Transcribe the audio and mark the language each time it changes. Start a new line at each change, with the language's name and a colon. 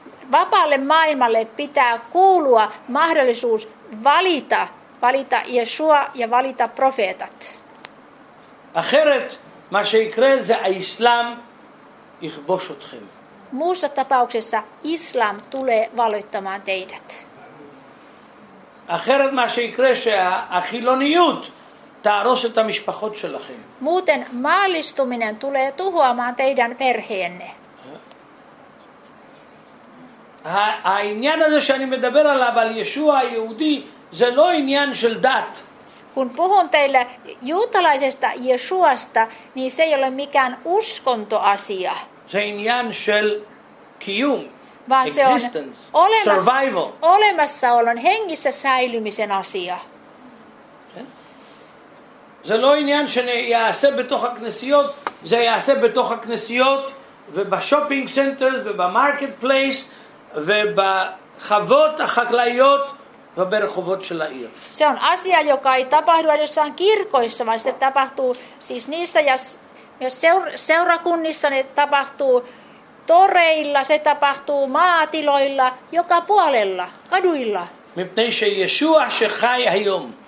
Finnish: Vapaalle maailmalle pitää kuulua mahdollisuus valita ישוע ja valita profeetat.
Hebrew: אחרת מה שיקרה זה האסלאם יכבוש אתכם.
Finnish: Muussa tapauksessa islam tulee valloittamaan teidät.
Hebrew: אחרת מה שיקרה שהחילוניות תהרוס את המשפחות שלכם.
Finnish: Muuten maallistuminen tulee tuhoamaan teidän perheenne.
Hebrew: העניין הזה שאני מדבר עליו על ישוע היהודי זה לא עניין של דת.
Finnish: Kun puhun teille juutalaisesta Yeshuasta, niin se ei ole mikään uskontoasia.
Hebrew: זה עניין של קיום,
English: existence, survival.
Finnish: Olemassaolon, hengissä säilymisen asia.
Hebrew: זה לא עניין שיעשה בתוך הכנסיות, זה יעשה בתוך הכנסיות ובשופינג סנטר ובמרקט פלייס ובחוות החקלאיות וברחובות של העיר.
Finnish: Se on asia, joka ei tapahdu jossain kirkoissa, vaan se tapahtuu siis niissä ja myös seurakunnissa ne tapahtuu toreilla, se tapahtuu maatiloilla, joka puolella, kaduilla.
Hebrew: Mipnei se Yeshua, se chai hayom.